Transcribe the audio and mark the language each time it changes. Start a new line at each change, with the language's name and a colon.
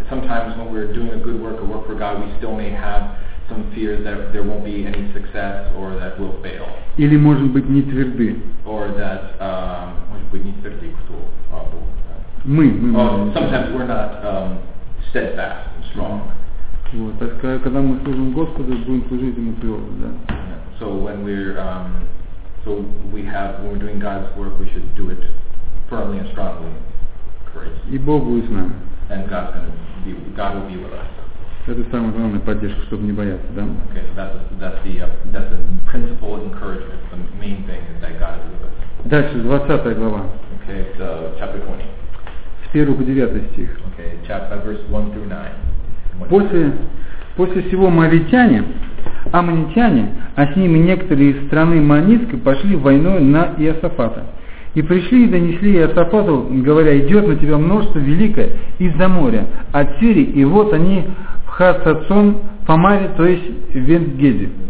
English: Sometimes when we're doing a good work, a work for God, we still may have some fear that there won't be any success or that we'll fail.
Russian: Или, может быть, не тверды.
English: Or that,
Russian: может быть, не тверды, кто был. Мы.
English: Sometimes we're not steadfast, strong.
Russian: Вот, когда мы служим Господу, будем служить ему твердо, да?
English: So when we're when we're doing God's work, we should do it firmly and strongly, courageously.
Russian: И Бог будет с нами.
English: And God will be with us.
Russian: Это самая главная поддержка, чтобы не бояться, да?
English: Okay, so that's the principle of encouragement. The main thing is that God is with us.
Russian: Дальше 20 глава.
English: Okay, so chapter 20.
Russian: С 1 по 9 стих.
English: Okay, chapter, verse 1 through 9.
Russian: После всего моавитяне, аммонитяне, а с ними некоторые из страны Моавитской пошли войной на Иосафата. И пришли и донесли Иосафату, говоря, идет на тебя множество великое из-за моря, от Сирии, и вот они в Хасацон, по Маве, то есть в Венгеде.